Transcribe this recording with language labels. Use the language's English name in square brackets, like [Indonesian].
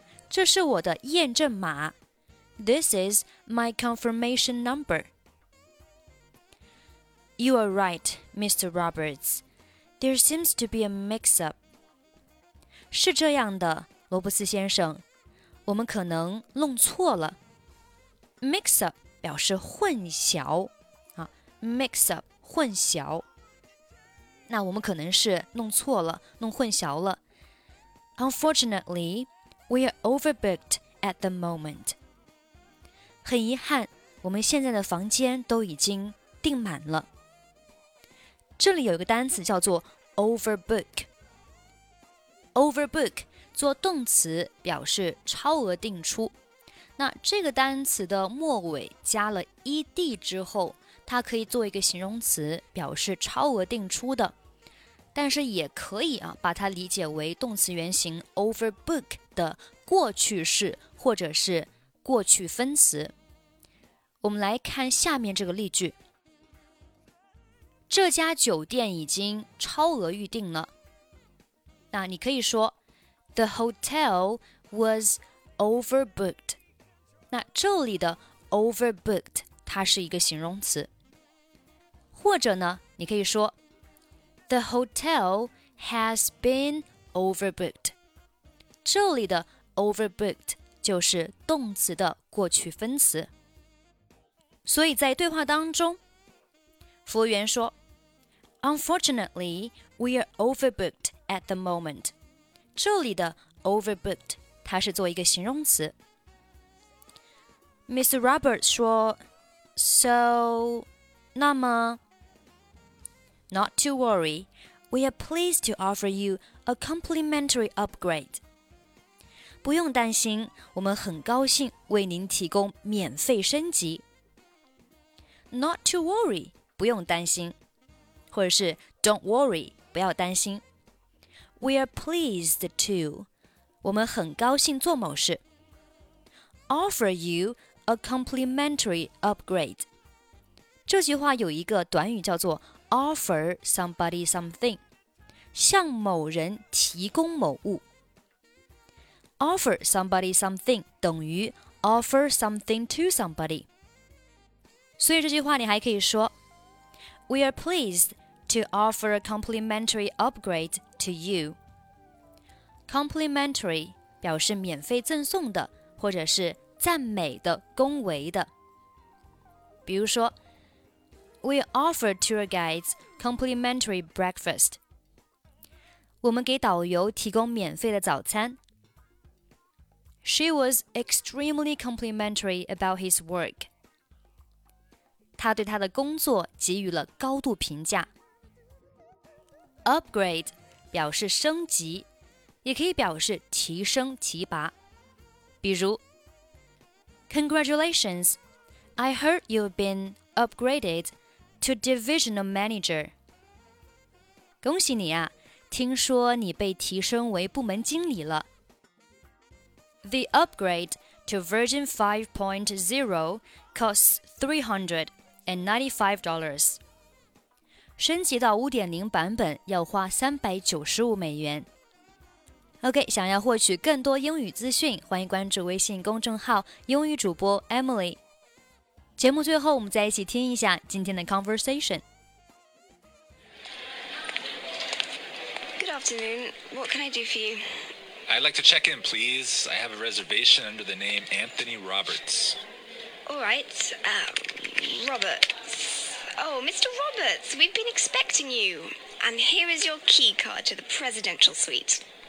[Chinese] 这是我的验证码 [English] ，This is my confirmation number. You are right, Mr. Roberts. There seems to be a mix-up. [Chinese] 是这样的，罗伯斯先生，我们可能弄错了。 Mix up 表示混淆，啊 ，mix up 混淆。那我们可能是弄错了，弄混淆了。 [English] Unfortunately, we are overbooked at the moment. [Chinese] 很遗憾，我们现在的房间都已经订满了。这里有一个单词叫做 overbook。Overbook 做动词表示超额定出，那这个单词的末尾加了 ed 之后，它可以做一个形容词表示超额定出的，但是也可以啊把它理解为动词原形 overbook 的过去式或者是过去分词。我们来看下面这个例句，这家酒店已经超额预定了。那你可以说 [English] The hotel was overbooked. [Chinese] 那这里的 overbooked 它是一个形容词。或者呢你可以说 [English] The hotel has been overbooked. [Chinese] 这里的 overbooked 就是动词的过去分词。所以在对话当中服务员说 [English] Unfortunately, we are overbookedAt the moment, [Chinese] 这里的 overbooked 它是做一个形容词。 [English] Mr. Roberts 说 So, [Chinese] 那么 [English] Not to worry, we are pleased to offer you a complimentary upgrade. [Chinese] 不用担心，我们很高兴为您提供免费升级。 [English] Not to worry, [Chinese] 不用担心，或者是 [English] Don't worry, [Chinese] 不要担心。 [English] We are pleased to, [Chinese] 我们很高兴做某事。 [English] Offer you a complimentary upgrade. [Chinese] 这句话有一个短语叫做 offer somebody something, 向某人提供某物。 [English] Offer somebody something [Chinese] 等于 [English] offer something to somebody. [Chinese] 所以这句话你还可以说 [English] We are pleased to offer a complimentary upgrade to you. [Chinese] Complimentary 表示免费赠送的或者是赞美的恭维的。 [English] 比如说 We offer tour guides complimentary breakfast. [Chinese] 我们给导游提供免费的早餐。 [English] She was extremely complimentary about his work. [Chinese] 他对他的工作给予了高度评价。 Upgrade 表示升级。也可以表示提升提拔。比如 [English] Congratulations. I heard you've been upgraded to divisional manager. [Chinese] 恭喜你啊，听说你被提升为部门经理了。 [English] The upgrade to version 5.0 costs $395. [Chinese] 升级到 5.0 版本要花395美元。 OK, 想要获取更多英语资讯，欢迎关注微信公众号英语主播 Emily。节目最后我们再一起听一下今天的 conversation。 [English] Good afternoon, what can I do for you? I'd like to check in, please. I have a reservation under the name Anthony Roberts. Alright, Roberts. Oh, Mr. Roberts, we've been expecting you. And here is your key card to the presidential suite.